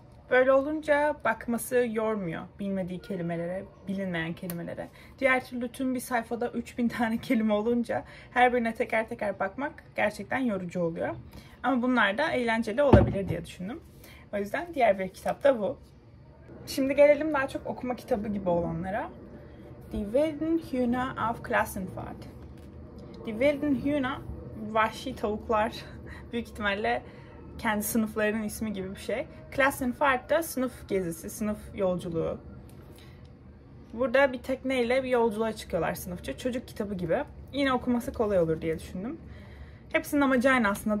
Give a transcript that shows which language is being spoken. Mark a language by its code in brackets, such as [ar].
[tr] Böyle olunca bakması yormuyor bilmediği kelimelere, bilinmeyen kelimelere. Diğer türlü tüm bir sayfada 3000 tane kelime olunca her birine teker teker bakmak gerçekten yorucu oluyor. Ama bunlar da eğlenceli olabilir diye düşündüm. O yüzden diğer bir kitap da bu. Şimdi gelelim daha çok okuma kitabı gibi olanlara. [de] Die wilden Hühner auf Klassenfahrt. [tr] Die wilden Hühner, vahşi tavuklar, büyük ihtimalle kendi sınıflarının ismi gibi bir şey. Klassenfahrt da sınıf gezisi, sınıf yolculuğu. Burada bir tekneyle bir yolculuğa çıkıyorlar sınıfça. Çocuk kitabı gibi. Yine okuması kolay olur diye düşündüm. Hepsinin amacı aynı aslında.